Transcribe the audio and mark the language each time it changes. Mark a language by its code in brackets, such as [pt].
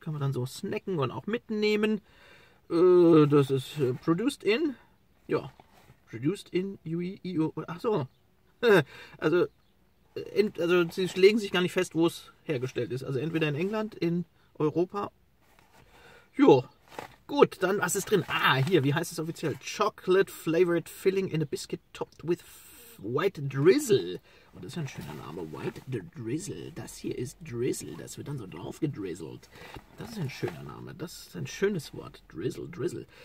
[de] Kann man dann so snacken und auch mitnehmen. Das ist [en] produced in, [de] ja, produced in UE, also sie legen sich gar nicht fest, wo es hergestellt ist. Also entweder in England, in Europa. Jo, gut, dann was ist drin? Hier, wie heißt es offiziell? [en] Chocolate flavored filling in a biscuit topped with white drizzle. [de] Und das ist ja ein schöner Name, white drizzle. Das hier ist drizzle, das wird dann so drauf gedrizzelt. Das ist ein schöner Name, das ist ein schönes Wort, drizzle, drizzle.